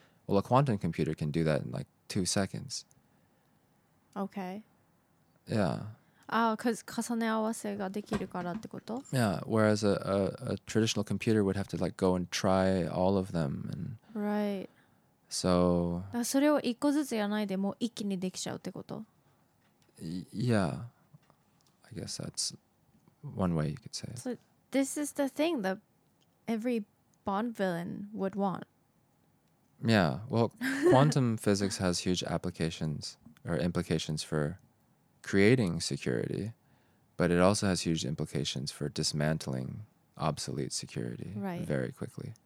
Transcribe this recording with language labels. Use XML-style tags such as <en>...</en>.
<en>Well, a quantum computer can do that in like 2 seconds. Okay. Yeah.</en> <ja>Ah, because 重ね合わせができるからってこと?</ja> <en>Yeah, whereas a traditional computer would have to like go and try all of them. And right. So...</en> <ja>それを一個ずつやらないでもう一気にできちゃうってこと?</ja> <en>Yeah. I guess that's one way you could say it. So this is the thing that every Bond villain would want. Yeah, well, quantum physics has huge applications or implications for creating security, but it also has huge implications for dismantling obsolete security very quickly.</en>